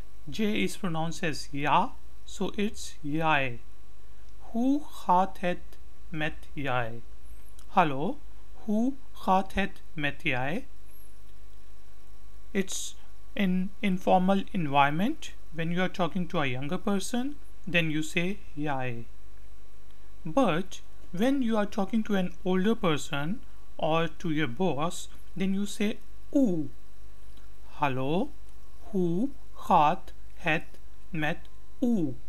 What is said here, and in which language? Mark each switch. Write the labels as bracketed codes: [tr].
[en] J is pronounced as ja, so it's jou. [nl] Hoe gaat het met jou? Hallo, hoe gaat het met jou? [en] It's an informal environment. When you are talking to a younger person, then you say jou. But when you are talking to an older person or to your boss, then you say u. [nl] Hallo, hoe gaat het met u?